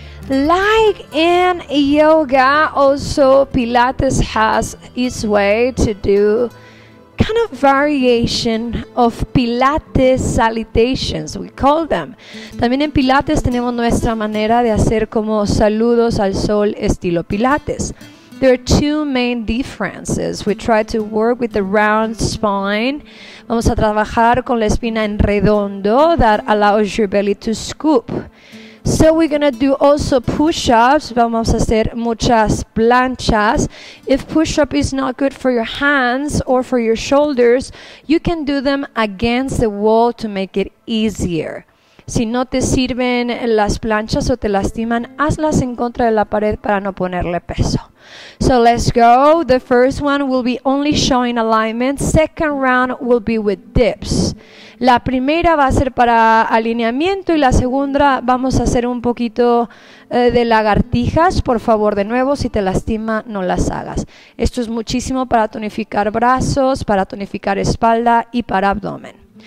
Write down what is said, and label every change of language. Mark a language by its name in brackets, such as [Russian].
[English] Like in yoga, also Pilates has its way to do kind of variation of Pilates salutations, we call them. [Spanish] También en Pilates tenemos nuestra manera de hacer como saludos al sol estilo Pilates. [English] There are two main differences. We try to work with the round spine. [Spanish] Vamos a trabajar con la espina en redondo [English] that allows your belly to scoop. So we're gonna do also push-ups. [Spanish] Vamos a hacer muchas planchas. [English] If push-up is not good for your hands or for your shoulders, you can do them against the wall to make it easier. [Spanish] Si no te sirven las planchas o te lastiman, hazlas en contra de la pared para no ponerle peso. [English] So let's go. The first one will be only showing alignment. Second round will be with dips. [Spanish] La primera va a ser para alineamiento y la segunda vamos a hacer un poquito de lagartijas. Por favor, de nuevo, si te lastima, no las hagas. Esto es muchísimo para tonificar brazos, para tonificar espalda y para abdomen.